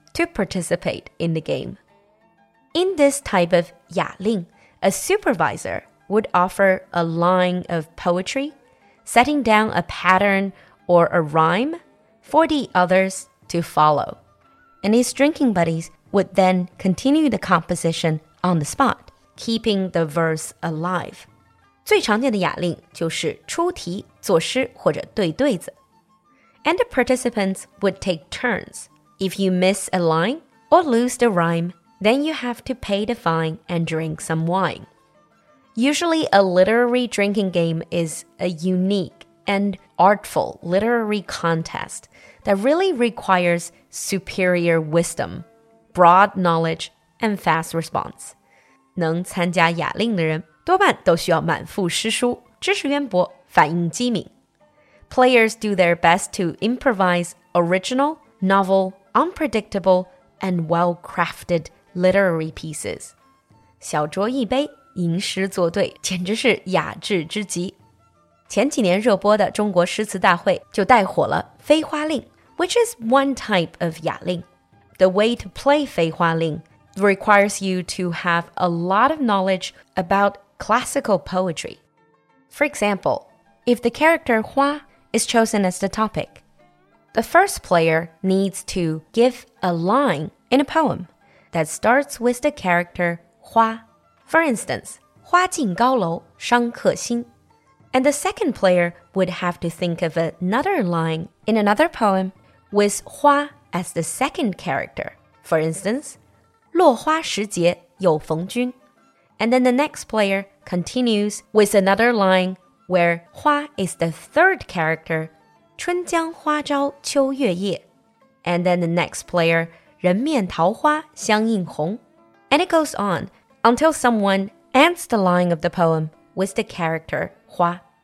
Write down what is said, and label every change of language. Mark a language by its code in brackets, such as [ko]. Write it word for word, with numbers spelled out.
[en] To participate in the game. In this type of 雅令, a supervisor would offer a line of poetry, setting down a pattern or a rhyme for the others to follow. And his drinking buddies would then continue the composition on the spot, keeping the verse alive. [zh] 最常见的雅令就是出题、作诗或者对对子。 [en] And the participants would take turns. If you miss a line or lose the rhyme, then you have to pay the fine and drink some wine. Usually, a literary drinking game is a unique and artful literary contest that really requires superior wisdom, broad knowledge, and fast response. [zh] 能参加雅令的人多半都需要满腹诗书，知识渊博，反应机敏。 [en] Players do their best to improvise original, novel,unpredictable and well-crafted literary pieces. [zh] 小酌一杯，吟诗作对，简直是雅致之极。前几年热播的中国诗词大会就带火了飞花令 [en] which is one type of [zh] 雅令. [en] The way to play 飞花令 requires you to have a lot of knowledge about classical poetry. For example, if the character 花 is chosen as the topic,The first player needs to give a line in a poem that starts with the character 花. For instance, [zh] 花尽高楼伤客心. [en] And the second player would have to think of another line in another poem with 花 as the second character. For instance, [zh] 落花时节有逢君. [en] And then the next player continues with another line where 花 is the third character, [zh] 春江花朝秋月夜. [en] And then the next player, [zh] 人面桃花相映红. [en] And it goes on until someone ends the line of the poem with the character 花.